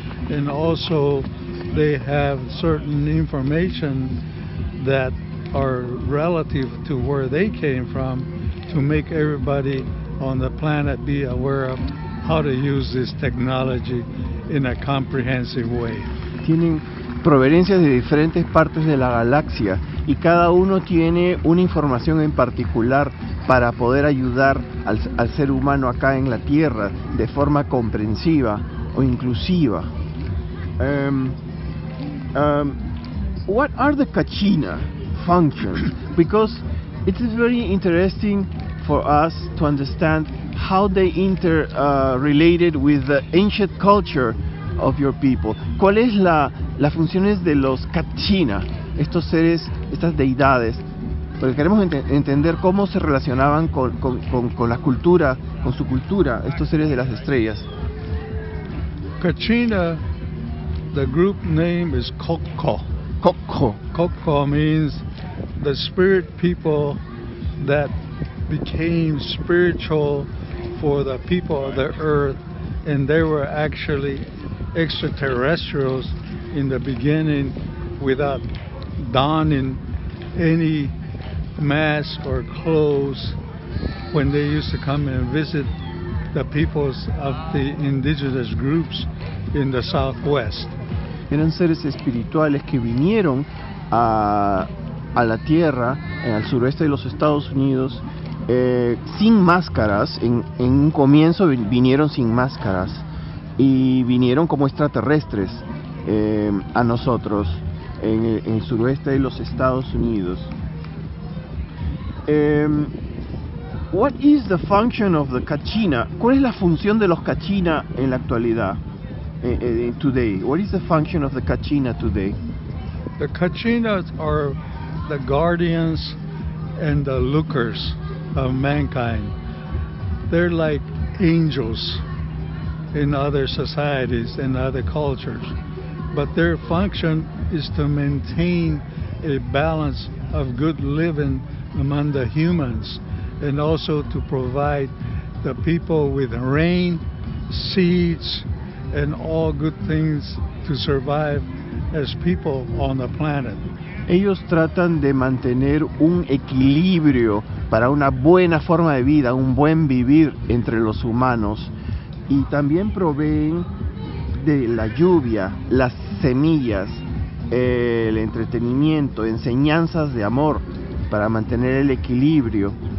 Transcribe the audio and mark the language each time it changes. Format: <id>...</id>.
<en>And also they have certain information that are relative to where they came from to make everybody on the planet be aware of how to use this technology in a comprehensive way.</en> <es>Tienen proveniencias de diferentes partes de la galaxia y cada uno tiene una información en particular para poder ayudar al ser humano acá en la Tierra de forma comprensiva o inclusiva.</es> <en>What are the Kachina functions? Because it is very interesting for us to understand how they interrelated with the ancient culture of your people.</en> <es>¿Cuál es la funciones de los Kachina, estos seres, estas deidades? Porque queremos entender cómo se relacionaban con la cultura, con su cultura, estos seres de las estrellas.</es> <en>Kachina, the group name is Kokko. Kokko. Kokko means the spirit people that became spiritual for the people of the earth, and they were actually extraterrestrials in the beginning without donning any mask or clothes when they used to come and visit the peoples of the indigenous groups in the southwest.</en> <es>Eran seres espirituales que vinieron a a la tierra en el sureste de los Estados Unidos sin máscaras. En un comienzo vinieron sin máscaras y vinieron como extraterrestres a nosotros en el sureste de los Estados Unidos.</es> <en>What is the function of the Kachina?</en> <es>¿Cuál es la función de los Kachina en la actualidad?</es> <en>Today, what is the function of the Kachina today? The Kachinas are the guardians and the lookers of mankind. They're like angels in other societies and other cultures, but their function is to maintain a balance of good living among the humans, and also to provide the people with rain, seeds, and all good things to survive as people on the planet.</en> <es>Ellos tratan de mantener un equilibrio para una buena forma de vida, un buen vivir entre los humanos, y también proveen de la lluvia, las semillas, el entretenimiento, enseñanzas de amor para mantener el equilibrio.</es>